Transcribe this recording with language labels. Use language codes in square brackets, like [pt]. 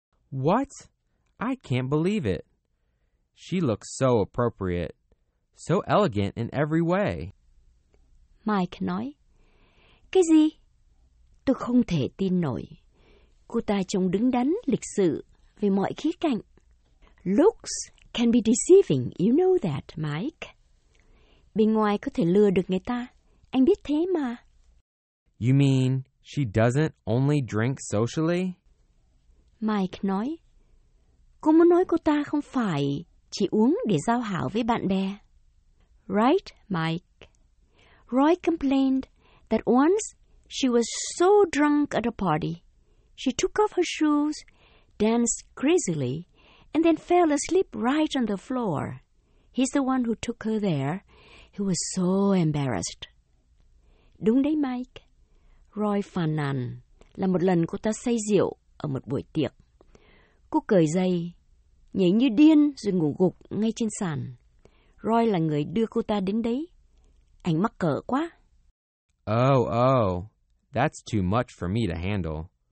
[en] What? I can't believe it. She looks so appropriate, so elegant in every way. [vi] Mike nói, cái gì? Tôi không thể tin nổi. Cô ta trông đứng đắn lịch sự về mọi khía cạnh. [en] Looks can be deceiving, you know that, Mike. [vi] Bên ngoài có thể lừa được người ta, anh biết thế mà. [en] You mean she doesn't only drink socially? [vi] Mike nói, cô muốn nói cô ta không phải chỉ uống để giao hảo với bạn bè. [en] Right, Mike. Roy complained that once she was so drunk at a party, she took off her shoes, danced crazily, and then fell asleep right on the floor. He's the one who took her there. He was so embarrassed. [vi] Đúng đấy, Mike. Roy phàn nàn là một lần cô ta say rượu ở một buổi tiệc. Cô cởi giày, nhảy như điên rồi ngủ gục ngay trên sàn. Roy là người đưa cô ta đến đấy. Anh mắc cỡ quá. [en] Oh, that's too much for me to handle.